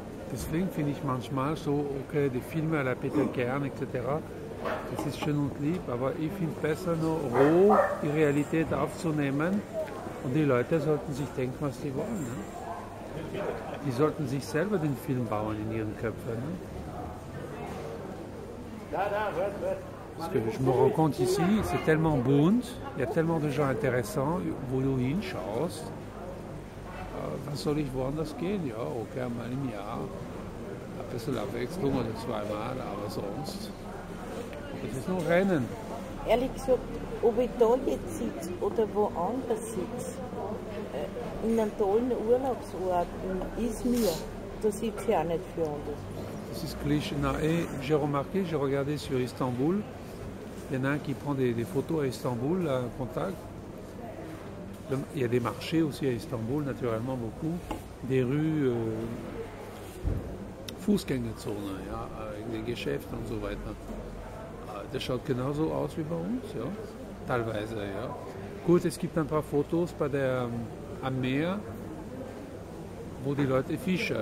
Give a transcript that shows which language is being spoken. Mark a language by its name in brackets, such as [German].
[German] Deswegen finde ich manchmal so, okay, die Filme à la Peter Kern, etc., das ist schön und lieb, aber ich finde besser nur roh die Realität aufzunehmen und die Leute sollten sich denken, was sie wollen. Ne? Die sollten sich selber den Film bauen in ihren Köpfen. Ne? [French] Parce que je me rends compte ici, c'est tellement bunt, il y a tellement de gens intéressants, [German] wo du hinschaust. Was soll ich woanders gehen? Ja, okay, einmal im Jahr. Ein bisschen Abwechslung oder zweimal, aber sonst. Das ist nur Rennen. Ehrlich gesagt, ob ich da jetzt sitze oder woanders sitze, in einem tollen Urlaubsort, ist mir, da sitze ich auch nicht für anders. Das ist Klischee. [French] Na, j'ai remarqué, j'ai regardé sur Istanbul, il y en a un qui prend des photos à Istanbul, à Contact. Il y a des marchés aussi à Istanbul, naturellement, beaucoup. Des rues, [German] Fußgängerzone, ja, [French] avec des [German] Geschäfte und so weiter. Das schaut genauso aus wie bei uns, ja. Teilweise, ja. Gut, es gibt ein paar Fotos bei der, am Meer, wo die Leute fischen.